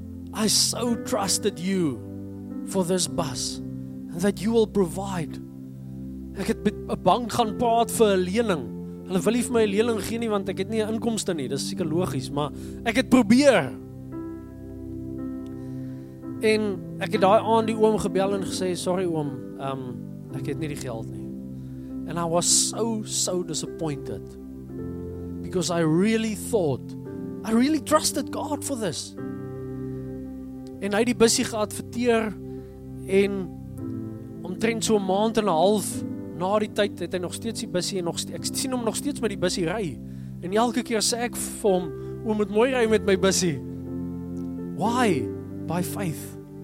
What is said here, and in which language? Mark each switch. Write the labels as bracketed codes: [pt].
[en] I so trusted you for this bus and that you will provide. [af] Ek het met 'n bank gaan praat vir 'n lening. Hulle wil nie vir my 'n lening gee nie want ek het nie 'n inkomste nie. Dis seker logies, maar ek het probeer. En ek het daai aand die oom gebel en gesê, "Sorry oom, ek het nie die geld nie." [en] And I was so disappointed because I really trusted God for this. [af] En hy het die busie geadverteer en omtrent so 'n maand en 'n half na die tyd het hy nog steeds die busie en ek sien hom nog steeds met die busie ry. En elke keer sê ek vir hom, "Oom, moet mooi ry met my busie." [en] Why? By faith.